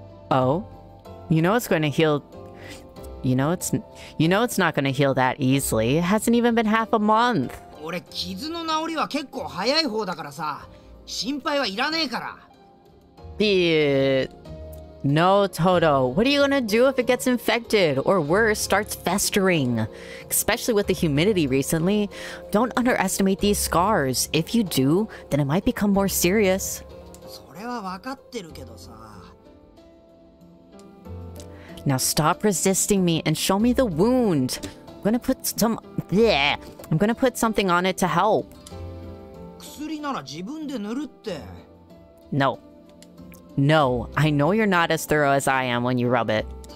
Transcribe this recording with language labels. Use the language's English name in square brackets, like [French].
[English] Oh? You know it's going to heal. You know it's not going to heal that easily. It hasn't even been half a month. [Japanese] 俺傷の治りは結構早い方だからさ、心配はいらねえから。 [English] Bit. No, Toto. What are you gonna do if it gets infected, or worse, starts festering? Especially with the humidity recently. Don't underestimate these scars. If you do, then it might become more serious. [Japanese] それは分かってるけどさ。 [English] Now stop resisting me and show me the wound. I'm gonna put some. Yeah, I'm gonna put something on it to help. [Japanese] 薬なら自分で塗るって。 [English] No. No, I know you're not as thorough as I am when you rub it.